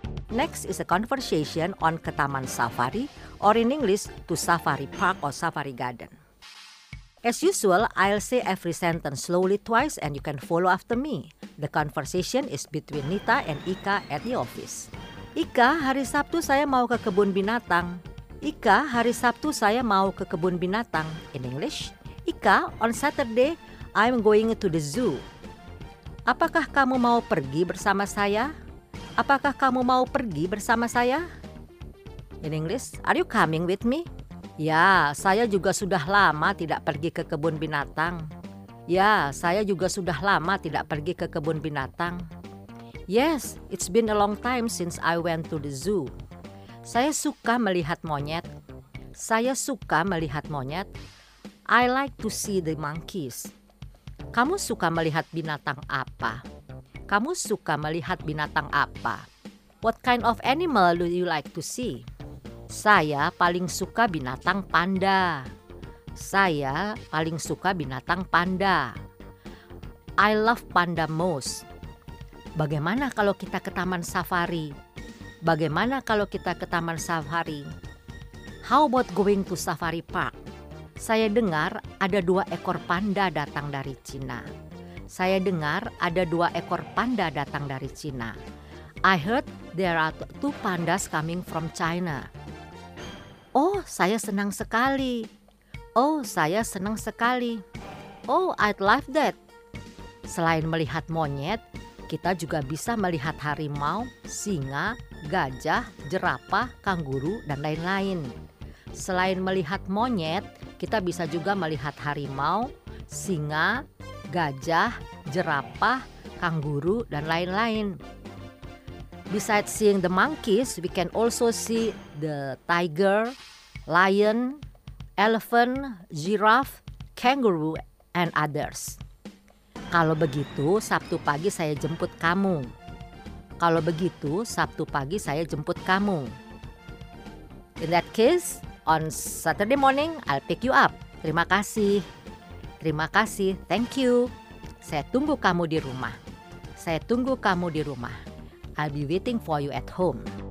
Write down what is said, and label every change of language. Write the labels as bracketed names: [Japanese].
[English] Next is a conversation on Ketaman Safari, or in English, to Safari Park or Safari Garden. As usual, I'll say every sentence slowly twice and you can follow after me. The conversation is between Nita and Ika at the office. [Indonesian] Ika, hari Sabtu saya mau ke kebun binatang. Ika, hari Sabtu saya mau ke kebun binatang. [English] In English, Ika, on Saturday, I'm going to the zoo. [Indonesian] Apakah kamu mau pergi bersama saya? Apakah kamu mau pergi bersama saya? [English] In English, are you coming with me? [Indonesian] Ya, saya juga sudah lama tidak pergi ke kebun binatang. Ya, saya juga sudah lama tidak pergi ke kebun binatang. [English] Yes, it's been a long time since I went to the zoo. [Indonesian] Saya suka melihat monyet. Saya suka melihat monyet. [English] I like to see the monkeys. [Indonesian] Kamu suka melihat binatang apa? Kamu suka melihat binatang apa? [English] What kind of animal do you like to see? [Indonesian] Saya paling suka binatang panda. Saya paling suka binatang panda. [English] I love panda most. [Indonesian] Bagaimana kalau kita ke taman safari? Bagaimana kalau kita ke taman safari? [English] How about going to safari park? [Indonesian] Saya dengar ada 2 ekor panda datang dari Cina. Saya dengar ada 2 ekor panda datang dari Cina. [English] I heard there are 2 pandas coming from China. [Indonesian] Oh, saya senang sekali. Oh, saya senang sekali. [English] Oh, I'd love that. [Indonesian] Selain melihat monyet, kita juga bisa melihat harimau, singa, gajah, jerapah, kanguru, dan lain-lain. Selain melihat monyet, kita bisa juga melihat harimau, singa, gajah, jerapah, kanguru, dan lain-lain. [English] Besides seeing the monkeys, we can also see the tiger, lion, elephant, giraffe, kangaroo, and others. [Indonesian] Kalau begitu, Sabtu pagi saya jemput kamu. Kalau begitu, Sabtu pagi saya jemput kamu. [English] In that case, on Saturday morning, I'll pick you up. [Indonesian] Terima kasih. Terima kasih. [English] Thank you. [Indonesian] Saya tunggu kamu di rumah. Saya tunggu kamu di rumah. [English] I'll be waiting for you at home.